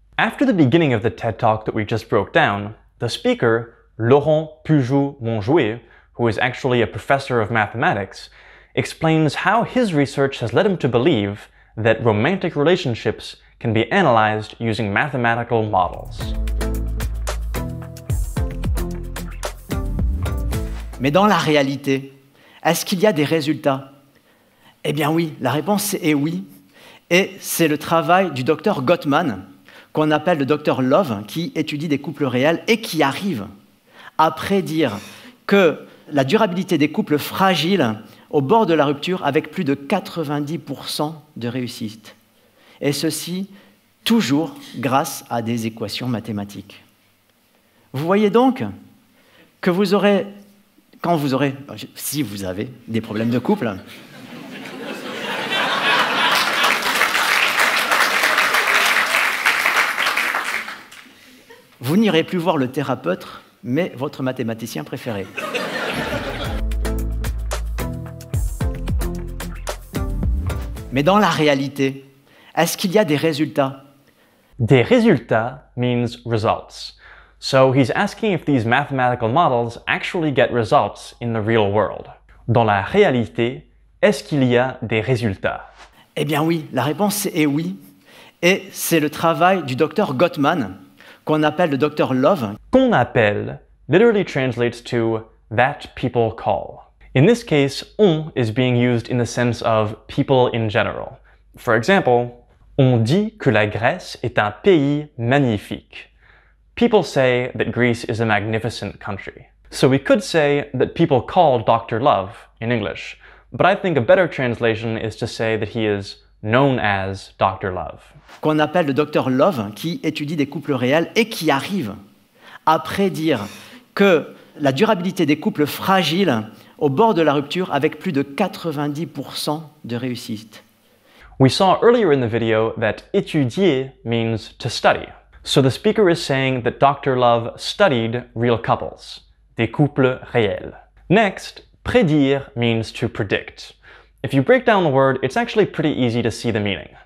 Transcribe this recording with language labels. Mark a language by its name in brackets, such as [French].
[English] After the beginning of the TED Talk that we just broke down, the speaker, Laurent Pujo-Menjouet, who is actually a professor of mathematics, explains how his research has led him to believe that romantic relationships can be analyzed using mathematical models. [French] Mais dans la réalité, est-ce qu'il y a des résultats? Eh bien oui, la réponse est oui. Et c'est le travail du docteur Gottman, qu'on appelle le docteur Love, qui étudie des couples réels et qui arrive à prédire que la durabilité des couples fragiles au bord de la rupture avec plus de 90% de réussite. Et ceci toujours grâce à des équations mathématiques. Vous voyez donc que vous aurez, quand vous aurez, si vous avez des problèmes de couple, vous n'irez plus voir le thérapeute, mais votre mathématicien préféré. Mais dans la réalité, est-ce qu'il y a des résultats? [English] Des résultats means results. So he's asking if these mathematical models actually get results in the real world. [French] Dans la réalité, est-ce qu'il y a des résultats? Eh bien oui, la réponse est oui. Et c'est le travail du docteur Gottman, qu'on appelle le docteur Love. Qu'on appelle, [English] literally translates to that people call. In this case, on is being used in the sense of people in general. For example, [French] on dit que la Grèce est un pays magnifique. [English] People say that Greece is a magnificent country. So we could say that people call Dr. Love in English, but I think a better translation is to say that he is known as Dr. Love. [French] Qu'on appelle le Dr. Love, qui étudie des couples réels et qui arrive à prédire que la durabilité des couples fragiles au bord de la rupture avec plus de 90% de réussite. [English] We saw earlier in the video that étudier means to study. So the speaker is saying that Dr. Love studied real couples, [French] des couples réels. [English] Next, prédire means to predict. If you break down the word, it's actually pretty easy to see the meaning.